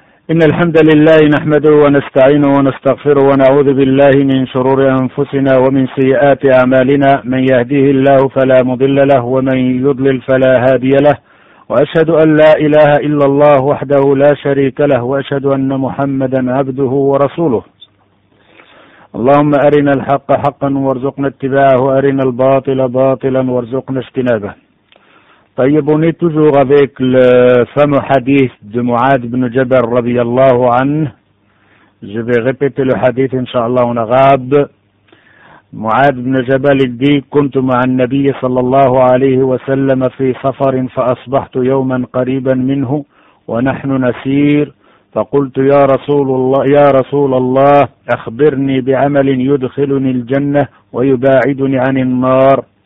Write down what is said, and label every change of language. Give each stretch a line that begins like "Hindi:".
Arabic: إن الحمد لله نحمده ونستعينه ونستغفره ونعوذ بالله من شرور أنفسنا ومن سيئات أعمالنا، من يهديه الله فلا مضل له ومن يضلل فلا هادي له، وأشهد أن لا إله إلا الله وحده لا شريك له، وأشهد أن محمدا عبده ورسوله. اللهم أرنا الحق حقا وارزقنا اتباعه، أرنا الباطل باطلا وارزقنا اجتنابه.
French: طيب، on est toujours avec le fameux hadith de Mu'ad ibn Jabal radiyallahu anhu. Je vais répéter le hadith, inshallah, en arabe.
Arabic: Mu'ad ibn Jabal dit: كنتُ مع النبي صلى الله عليه وسلم في سفر فأصبحت يوما قريبا منه ونحن نسير، فقلت يا رسول الله أخبرني بعمل يدخلني الجنة ويباعدني عن النار.